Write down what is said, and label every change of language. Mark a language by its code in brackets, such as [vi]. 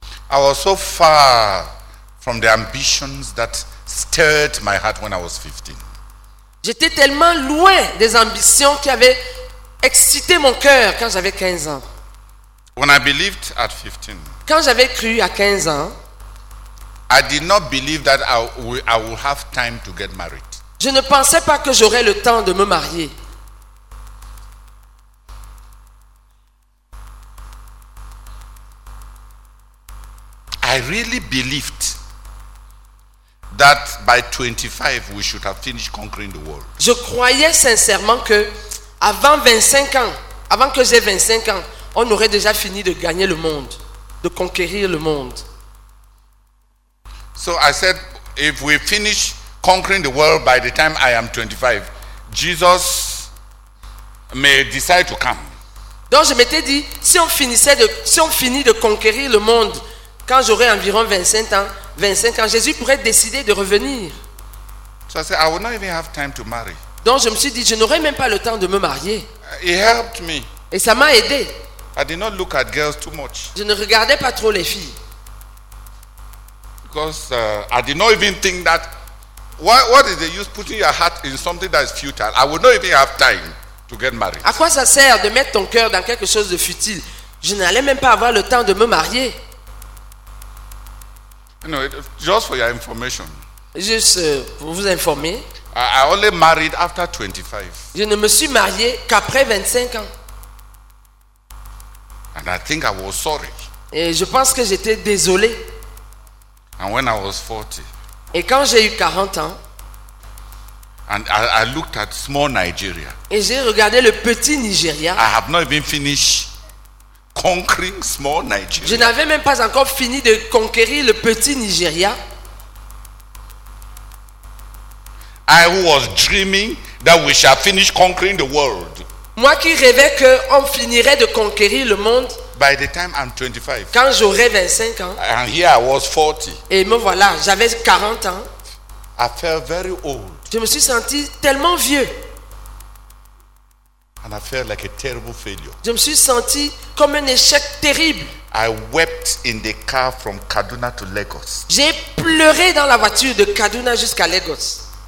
[en] I was so far from the ambitions that stirred my heart when I was 15. [fr] J'étais tellement loin des ambitions qui avaient excité mon cœur quand j'avais 15 ans. [en] When I believed at 15, [fr] quand j'avais cru à 15 ans, [en] I did not believe that I would have time to get married. [fr] Je ne pensais pas que j'aurais le temps de me marier. [en] I really believed that by 25 we should have finished conquering the world. [fr] Je croyais sincèrement que avant 25 ans, avant que j'aie 25 ans, on aurait déjà fini de gagner le monde, de conquérir le monde. [en] So I said, if we finish conquering the world by the time I am 25, Jesus may decide to come. [fr] Donc je m'étais dit, si on finit de conquérir le monde quand j'aurai environ 25 ans, Jésus pourrait décider de revenir. [en] So I said, I will not even have time to marry. [fr] Donc je me suis dit, je n'aurai même pas le temps de me marier. [en] It helped me. [fr] Et ça m'a aidé. [en] I did not look at girls too much. [fr] Je ne regardais pas trop les filles. [en] Because I did not even think that. What is the use putting your heart in something that is futile? I would not even have time to get married. [fr] À quoi ça sert de mettre ton cœur dans quelque chose de futile? Je n'allais même pas avoir le temps de me marier. [en] You know, just for your information. [fr] Juste pour vous informer. [en] I only married after 25. [fr] Je ne me suis marié qu'après 25 ans. [en] And I think I was sorry. [fr] Et je pense que j'étais désolé. [en] And when I was 40, [fr] et quand j'ai eu 40 ans, [en] and I looked at small Nigeria, [fr] et j'ai regardé le petit Nigeria, [en] I have not even finished conquering small Nigeria. [fr] Je n'avais même pas encore fini de conquérir le petit Nigeria. [en] I was dreaming that we shall finish conquering the world. [fr] Moi qui rêvais qu'on finirait de conquérir le monde [en] by the time I'm 25, [fr] quand j'aurai 25 ans, [en] and here I was 40, [fr] et me voilà, j'avais 40 ans, [en] I felt very old. [fr] Je me suis senti tellement vieux. [en] And I felt like a terrible failure. [fr] Je me suis senti comme un échec terrible. [en] I wept in the car from Kaduna to Lagos. [fr] J'ai pleuré dans la voiture de Kaduna jusqu'à Lagos.